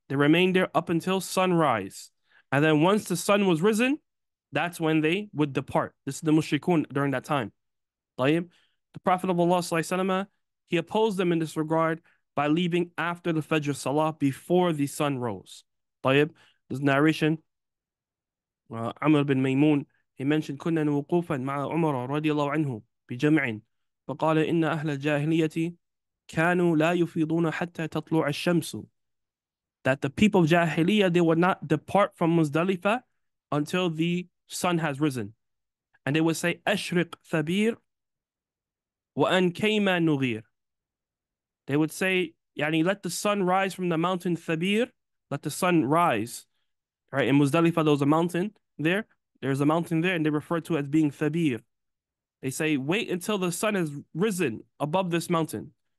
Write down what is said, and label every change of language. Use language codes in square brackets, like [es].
[en] They remained there up until sunrise. And then once the sun was risen, that's when they would depart. This is the Mushrikun during that time. طيب. The Prophet of Allah, He opposed them in this regard by leaving after the Fajr Salah before the sun rose. [ar] طيب, [en] this narration, Amr bin Maymun, he mentioned, [ar] كنا نوقوفا مع عمر رضي الله عنه بجمع فقال إن أهل الجاهلية كانوا لا يفيضون حتى تطلع الشمس. [en] That the people of Jahiliyyah, they would not depart from Muzdalifah until the sun has risen. And they would say, [ar] أشرق ثبير وأن كيما نغير. [en] They would say, يعني, let the sun rise from the mountain ثبير. Let the sun rise. Right, in Muzdalifah, there was a mountain there. There's a mountain there, and they refer to it as being ثبير. They say, wait until the sun has risen above this mountain.